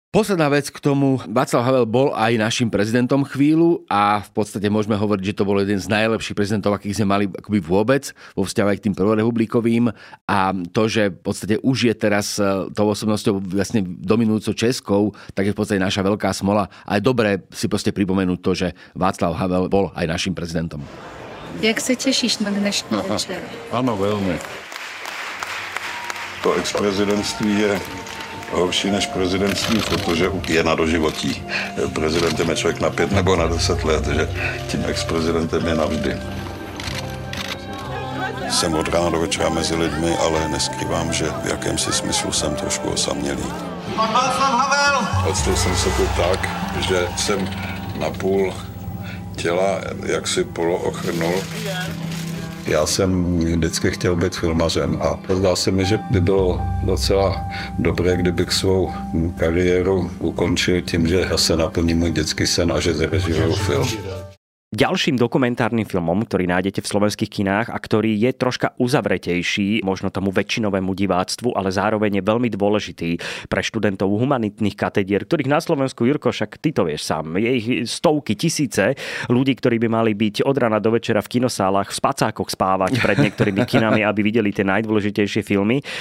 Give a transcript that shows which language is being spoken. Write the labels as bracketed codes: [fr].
[sk] Posledná vec k tomu, Václav Havel bol aj našim prezidentom chvíľu a v podstate môžeme hovoriť, že to bol jeden z najlepších prezidentov, akých sme mali akoby vôbec vo vzťahu aj k tým prvorepublikovým, a to, že v podstate už je teraz tou osobnosťou vlastne dominujúco českou, tak je v podstate naša veľká smola. A je dobré si proste pripomenúť to, že Václav Havel bol aj našim prezidentom. Jak sa tešíš na dnešný večer? Áno, veľmi. [cs] To ex-prezidentství je horší než prezidentství, protože je na doživotí. Prezidentem je člověk na 5 nebo na 10 let, že tím ex-prezidentem je navždy. Jsem od rána do večera mezi lidmi, ale neskrývám, že v jakémsi smyslu jsem trošku osamělý. Pan Václav Havel! Odstil jsem se to tak, že jsem na půl těla jaksi poloochrnul. Já jsem vždycky chtěl být filmařem a zdá se mi, že by bylo docela dobré, kdybych svou kariéru ukončil tím, že se naplní můj dětský sen a že zrežiju film. [sk] Ďalším dokumentárnym filmom, ktorý nájdete v slovenských kinách a ktorý je troška uzavretejší možno tomu väčšinovému diváctvu, ale zároveň je veľmi dôležitý pre študentov humanitných katedier, ktorých na Slovensku, Jurko, však ty to vieš sám, je ich stovky, tisíce ľudí, ktorí by mali byť od rana do večera v kinosálach, v spacákoch spávať pred niektorými kinami, aby videli tie najdôležitejšie filmy.